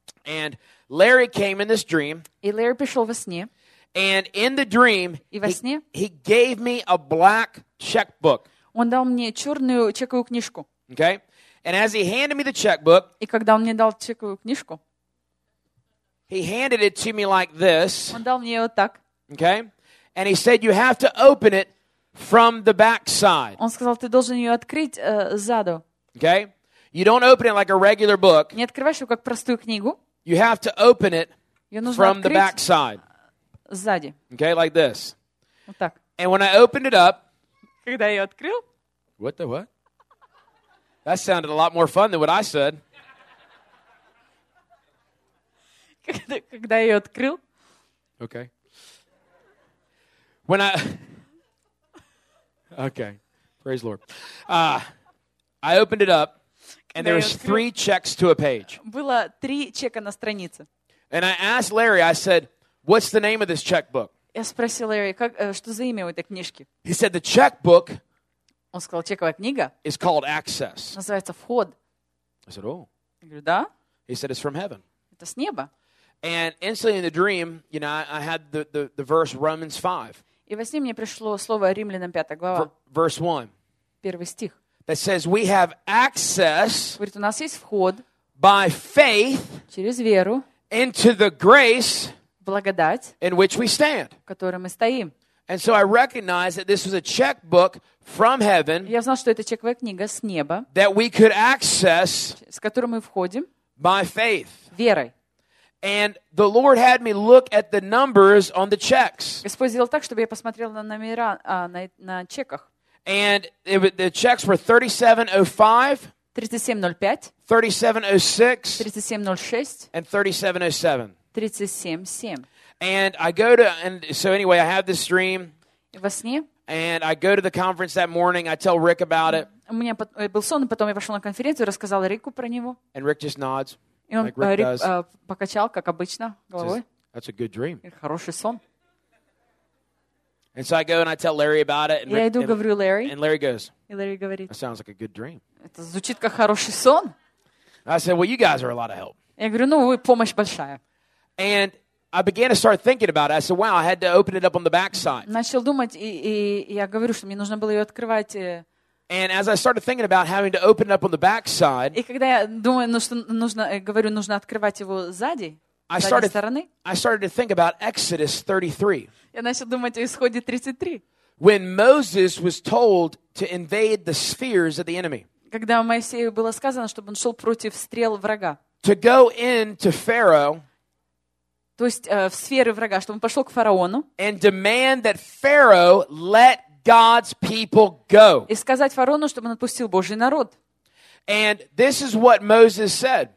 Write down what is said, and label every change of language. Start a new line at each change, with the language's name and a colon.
English: And Larry came in this dream.
Russian: И Ларри пришел во сне.
English: And in the dream, he gave me a black checkbook.
Russian: Он дал мне черную чековую книжку.
English: Okay. And as he handed me the checkbook,
Russian: и когда он мне дал чековую книжку,
English: he handed it to me like this.
Russian: Он дал мне вот так.
English: Okay. And he said, "You have to open it from the back side."
Russian: Он сказал, ты должен ее открыть сзаду.
English: Okay. You don't open it like a regular book.
Russian: Не открываешь ее как простую книгу.
English: You have to open it from the back side.
Russian: Сзади.
English: Okay, like this.
Russian: Вот так.
English: And when I opened it up,
Russian: когда я ее открыл,
English: what? That sounded a lot more fun than what I said.
Russian: Когда я ее открыл.
English: Okay. When I. Okay. Praise Lord. I opened it up, and there was three checks to a page.
Russian: Было три чека на странице.
English: And I asked Larry. I said. What's the name of this checkbook?
Russian: Я спросил Ларри, как что за имя у этой книжки?
English: He said the checkbook.
Russian: Он сказал, чековая книга.
English: Is called Access.
Russian: Называется вход.
English: I said, oh.
Russian: Я говорю, да.
English: He said it's from heaven.
Russian: Это с неба.
English: And instantly in the dream, you know, I had the verse Romans 5.
Russian: И во сне мне пришло слово Римлянам 5 глава.
English: Verse 1.
Russian: Первый стих.
English: That says we have access.
Russian: Говорит, у нас есть вход.
English: By faith.
Russian: Через веру.
English: Into the grace.
Russian: Благодать,
English: in which we stand.
Russian: В которой мы стоим.
English: And so I recognized that this was a checkbook from heaven.
Russian: Я знал, что это чековая книга с неба.
English: That we could access.
Russian: С которой мы входим.
English: By faith.
Russian: Верой.
English: And the Lord had me look at the numbers on the checks.
Russian: Господь сделал так, чтобы я посмотрел на номера на чеках.
English: And the checks were 3705.
Russian: 3705.
English: 3706.
Russian: 3706.
English: And 3707.
Russian: 37.7.
English: And I go to, and so anyway, I have this dream.
Russian: Во сне.
English: And I go to the conference that morning. I tell Rick about it.
Russian: У меня был сон, потом я пошел на конференцию, рассказал Рику про него.
English: And Rick just nods.
Russian: И он
English: like Rick does.
Russian: Покачал, как обычно, головой.
English: That's a good dream.
Russian: Хороший сон.
English: And so I go and I tell Larry about it. And
Russian: я иду, говорю Ларри.
English: And Larry goes.
Russian: И Ларри говорит.
English: That sounds like a good dream.
Russian: Это звучит как хороший сон.
English: I said, well, you guys are a lot of help.
Russian: Я говорю, ну вы помощь большая.
English: And I began to start thinking about it. I said, "Wow, I had to open it up on the backside."
Russian: Начал думать, и я говорю, что мне нужно было ее открывать.
English: And as I started thinking about having to open it up on the backside,
Russian: и когда я думаю, ну что нужно, говорю, нужно открывать его сзади, с этой стороны.
English: I started to think about Exodus 33.
Russian: Я начал думать о Исходе 33.
English: When Moses was told to invade the spheres of the enemy.
Russian: Когда Моисею было сказано, чтобы он шел против стрел врага.
English: To go into Pharaoh.
Russian: То есть в сферы врага, чтобы он пошел к фараону.
English: And demand that Pharaoh let God's people go.
Russian: И сказать фараону, чтобы он отпустил Божий народ.
English: And this is what Moses said.